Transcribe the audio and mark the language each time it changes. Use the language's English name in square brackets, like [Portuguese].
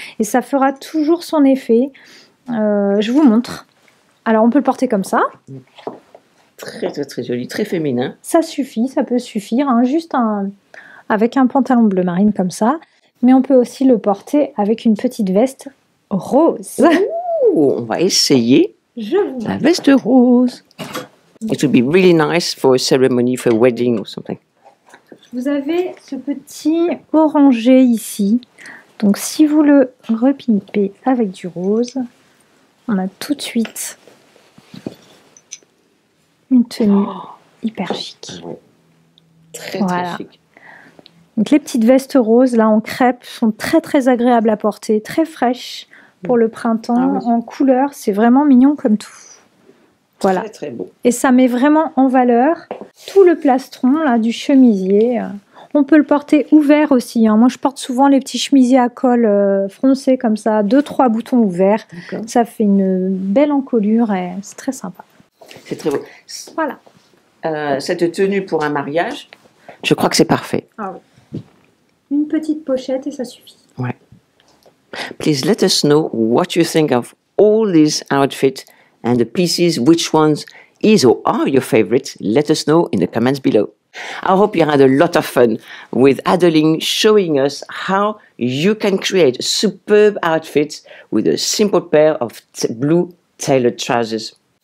[French] Et ça fera toujours son effet. Je vous montre. Alors, on peut le porter comme ça. Très, très, très joli, très féminin. Ça suffit, ça peut suffire, hein, juste avec un pantalon bleu marine comme ça. Mais on peut aussi le porter avec une petite veste rose. Ouh, on va essayer la veste rose. [English] It would be really nice for a ceremony, for a wedding or something. [French] Vous avez ce petit orangé ici. Donc, si vous le repimpez avec du rose, on a tout de suite... une tenue hyper chic. Très, voilà. Très chic. Donc les petites vestes roses là en crêpe sont très très agréables à porter, très fraîches pour le printemps, en couleur, c'est vraiment mignon comme tout. Voilà. Très, très beau. Et ça met vraiment en valeur tout le plastron là du chemisier. On peut le porter ouvert aussi. Hein. Moi, je porte souvent les petits chemisiers à col froncé comme ça, 2-3 boutons ouverts. D'accord. Ça fait une belle encolure et c'est très sympa. C'est très beau. Voilà. Cette tenue pour un mariage, je crois que c'est parfait. Ah oui. Une petite pochette et ça suffit. Ouais. [English] Please let us know what you think of all these outfits and the pieces, which ones is or are your favorite. Let us know in the comments below. I hope you had a lot of fun with Adeline showing us how you can create superb outfits with a simple pair of blue tailored trousers.